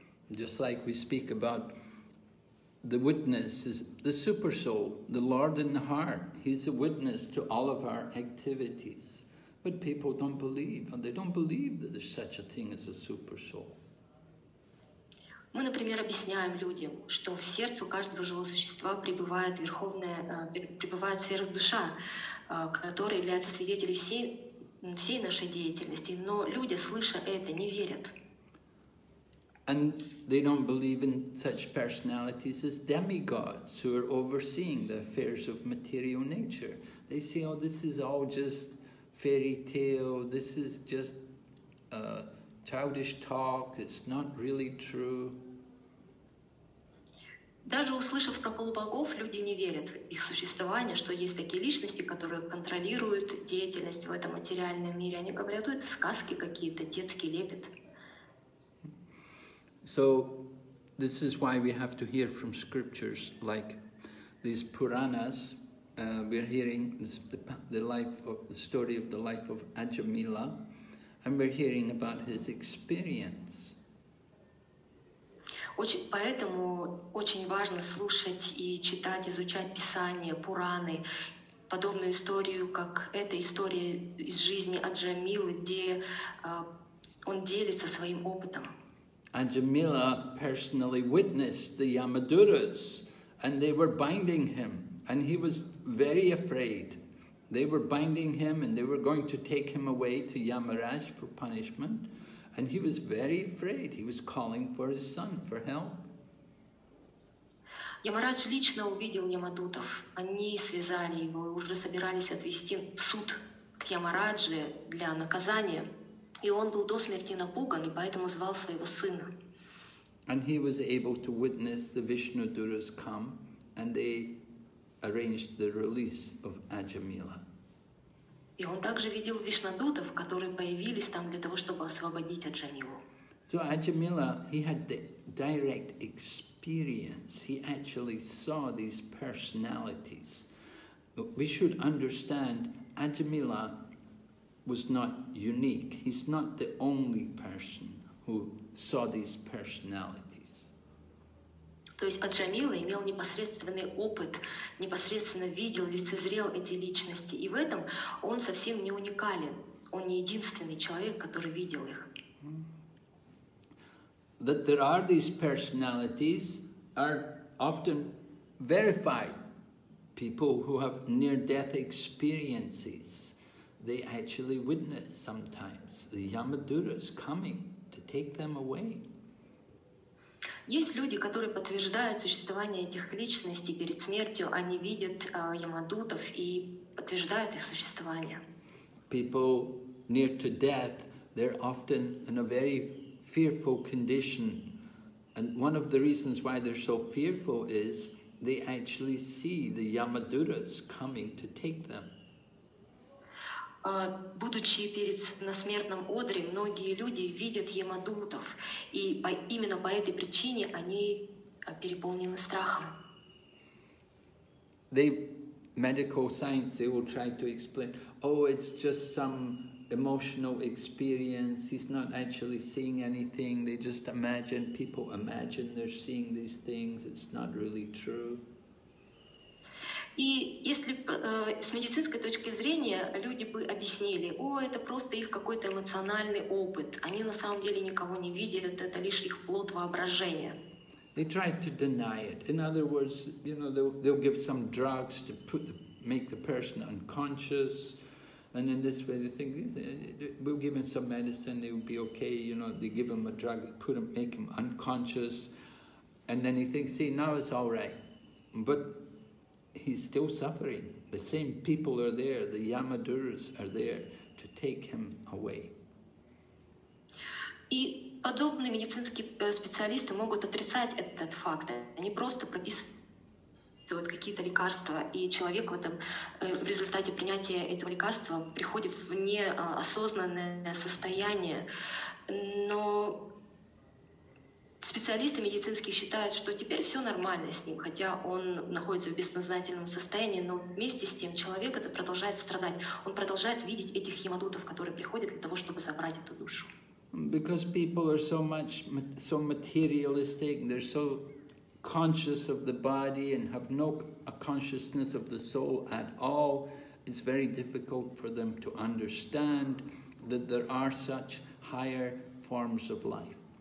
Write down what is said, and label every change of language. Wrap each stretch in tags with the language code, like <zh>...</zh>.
<en>Just like we speak about the witness is the super soul, the Lord in the heart. He's a witness to all of our activities. But people don't believe, and they don't believe that there's such a thing as a super soul.</en> <ru>Мы, например, объясняем людям, что в сердце у каждого живого существа пребывает верховная, пребывает сверхдуша, которая является свидетелем всей нашей деятельности. Но люди, слыша это, не верят.</ru> <en>And they don't believe in such personalities as demigods who are overseeing the affairs of material nature. They say, oh, this is all just fairy tale, this is just a childish talk, it's not really true.</en> <ru>Даже услышав про полубогов, люди не верят в их существование, что есть такие личности, которые контролируют деятельность в этом материальном мире. Они говорят, это сказки какие-то, детские лепет.</ru> <en>So, this is why we have to hear from scriptures, like these Puranas. We're hearing the life of, the story of the life of Ajamila, and we're hearing about his experience.</en> <ru>Поэтому очень важно слушать и читать, изучать Писание, Пураны, подобную историю, как эта история из жизни Аджамилы, где он делится своим опытом.</ru> <en>Аджамила personally witnessed the Yamaduras, and they were binding him, and he was very afraid. They were binding him, and they were going to take him away to Yamaraj for punishment. And he was very afraid. He was calling for his son for help.</en> <ru>Ямарадж лично увидел Ямадутов. Они связали его и уже собирались отвести в суд к Ямарадже для наказания. И он был до смерти напуган, и поэтому звал своего сына.</ru> <en>And he was able to witness the Vishnuduras come, and they arranged the release of Ajamila.</en> <ru>И он также видел вишнадутов, которые появились там для того, чтобы освободить Аджамилу.</ru> <en>So Ajamila, he had the direct experience. He actually saw these personalities. We should understand Ajamila was not unique. He's not the only person who saw these personalities.</en> <ru>То есть Аджамила имел непосредственный опыт, непосредственно видел, лицезрел эти личности. И в этом он совсем не уникален. Он не единственный человек, который видел их.</ru> <en>That there are these personalities are often verified. People who have near-death experiences, they actually witness sometimes the Yamaduras coming to take them away.</en> <ru>Есть люди, которые подтверждают существование этих личностей перед смертью. Они видят ямадутов и подтверждают их существование.</ru> <en>People near to death, they're often in a very fearful condition. And one of the reasons why they're so fearful is they actually see the Yamaduras coming to take them.</en> <ru>Будучи перед насмертным одре, многие люди видят ямадутов, и именно по этой причине они переполнены страхом.</ru> <en>The medical science, they will try to explain, oh, it's just some emotional experience, he's not actually seeing anything, they just imagine, people imagine they're seeing these things, it's not really true.</en> <ru>И если с медицинской точки зрения люди бы объяснили, о, это просто их какой-то эмоциональный опыт, они на самом деле никого не видят, это лишь их плод воображения.</ru> <en>They try to deny it. In other words, you know, they'll give some drugs to make the person unconscious, and in this way they think, we'll give him some medicine, he'll be okay, you know, they give him a drug, make him unconscious, and then he thinks, see, now it's all right. But he's still suffering. The same people are there, the Yamaduras are there to take him away.</en> <ru>И подобные медицинские специалисты могут отрицать этот факт. Они просто прописывают какие-то лекарства, и человек в этом в результате принятия этого лекарства приходит в неосознанное состояние. Но специалисты медицинские считают, что теперь все нормально с ним, хотя он находится в бессознательном состоянии, но вместе с тем человек этот продолжает страдать. Он продолжает видеть этих ямадутов, которые приходят для того, чтобы забрать эту душу.</ru> <en>Because people are so much so materialistic, they're so conscious of the body and have no a consciousness of the soul at all, it's very difficult for them to understand that there are such higher forms of life.</en>